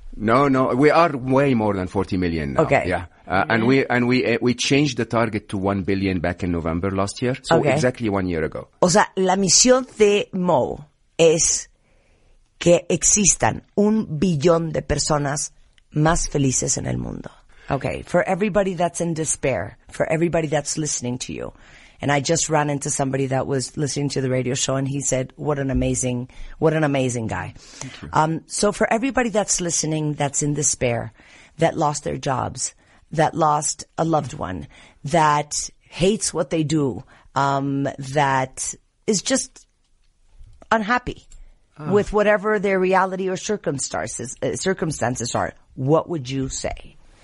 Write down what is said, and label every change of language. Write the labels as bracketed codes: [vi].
[en] No, we are way more than 40 million now. Okay. Yeah. And we changed the target to 1 billion back in November last year. So okay. Exactly 1 year ago. [es] O sea, la misión de Mo es que existan 1 billón de personas más felices en el mundo. [en] Okay. For everybody that's in despair, for everybody that's listening to you, and I just ran into somebody that was listening to the radio show, and he said, what an amazing guy. So for everybody that's listening, that's in despair, that lost their jobs, that lost a loved one, that hates what they do, that is just unhappy with whatever their reality or circumstances are, what would you say?